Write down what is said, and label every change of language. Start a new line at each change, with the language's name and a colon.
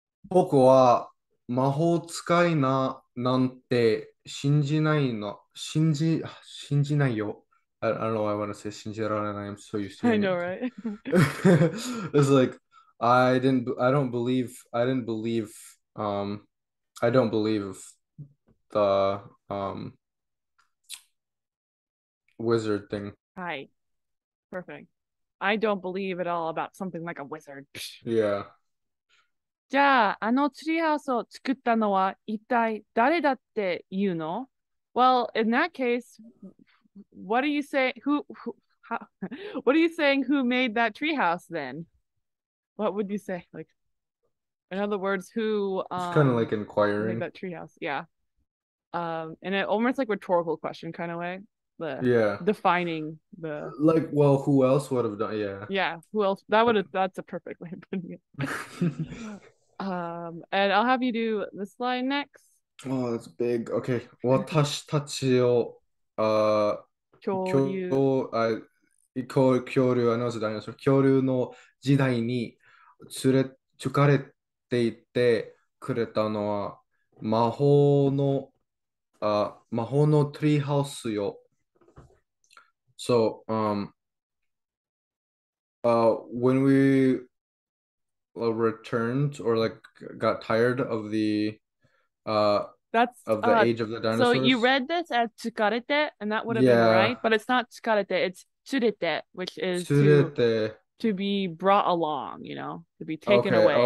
Japanese: 僕は魔法使いななんて信じないの信じないよ。
English: I don't know why I want to say
Japanese: 信じられない
English: I'm so used to it. I know, it. right? It's like, I don't believe the wizard thing. Hi. Perfect. I don't believe at all about something like a wizard. Yeah.
Japanese: じゃあ、あのツリーハウスを作ったのは一体誰だって言うの?
English: Well, in that case, what are you saying? What are you saying? Who made that treehouse then? What would you say? Like, in other words, who? It's kind of like inquiring. Made that treehouse, yeah. And it almost like rhetorical question kind of way. Yeah. Defining the. Like, well, who else would have done? Yeah. Yeah. Who else? That's a perfect way of putting it. And I'll have you do this line next. Oh, that's big. Okay.
Japanese: 私たちを恐竜の時代に疲れていてくれたのは魔法のトリーハウスよ。
English: So, when we returned or like got tired of the That's of the age of the dinosaurs. So you read this as tsukarete, and that would have been right, but it's not tsukarete, it's tsurete, which is to be brought along, you know, to be taken away.